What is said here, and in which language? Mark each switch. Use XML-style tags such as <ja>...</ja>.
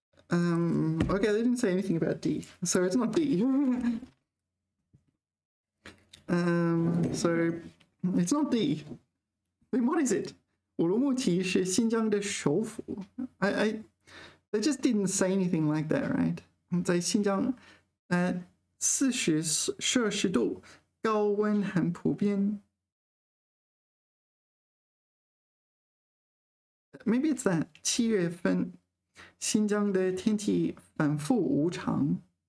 <en>Okay, they didn't say anything about D. So it's not D. So it's not D. Then what is it?</en> <zh>乌鲁木齐是新疆的首府。</zh> <en>They just didn't say anything like that, right?</en> <zh>在新疆，40摄氏度，高温很普遍。</zh> <en>Maybe it's that</en> <zh>七月份，新疆的天气反复无常。</zh>